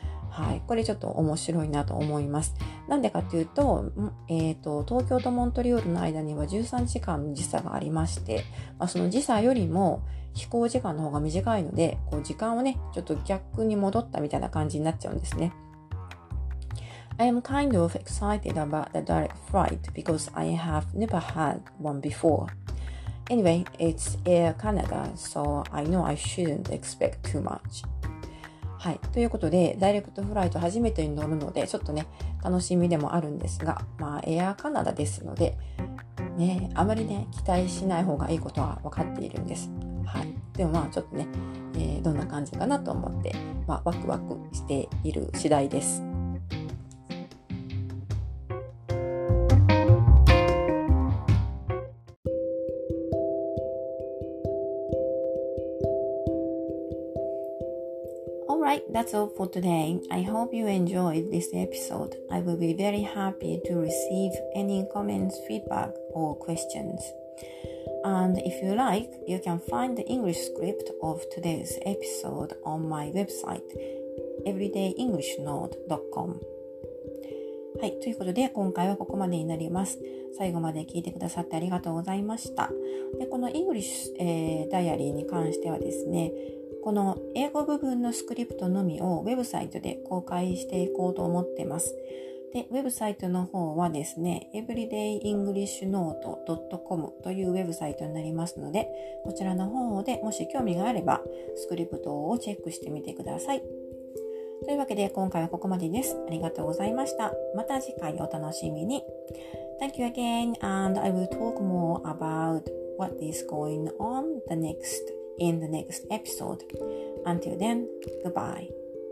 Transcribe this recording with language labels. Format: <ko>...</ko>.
<ja>はい、これちょっと面白いなと思います。なんでかというと、東京とモントリオールの間には13時間時差がありまして、まあ、その時差よりも飛行時間の方が短いので、こう時間をねちょっと逆に戻ったみたいな感じになっちゃうんですね。</ja> <en>I am kind of excited about the direct flight because I have never had one before. Anyway, it's Air Canada, so I know I shouldn't expect too much.</en> <ja>はい、ということでダイレクトフライト初めてに乗るのでちょっとね楽しみでもあるんですが、まあエアカナダですのでね、あまりね期待しない方がいいことは分かっているんです。はい、でもまあちょっとね、どんな感じかなと思って、まあ、ワクワクしている次第です。</ja> <en>Alright, that's all for today. I hope you enjoyed this episode. I will be very happy to receive any comments, feedback, or questions. And if you like, you can find the English script of today's episode on my website, everydayenglishnode.com.</en> <ja>はい、ということで今回はここまでになります。最後まで聞いてくださってありがとうございました。で、この English Diary に関してはですね、この英語部分のスクリプトのみをウェブサイトで公開していこうと思ってます。で、ウェブサイトの方はですね、everydayenglishnote.com というウェブサイトになりますので、こちらの方でもし興味があればスクリプトをチェックしてみてください。というわけで今回はここまでです。ありがとうございました。また次回お楽しみに。</ja> <en>Thank you again and I will talk more about what is going on the next episode. Until then, goodbye.</en>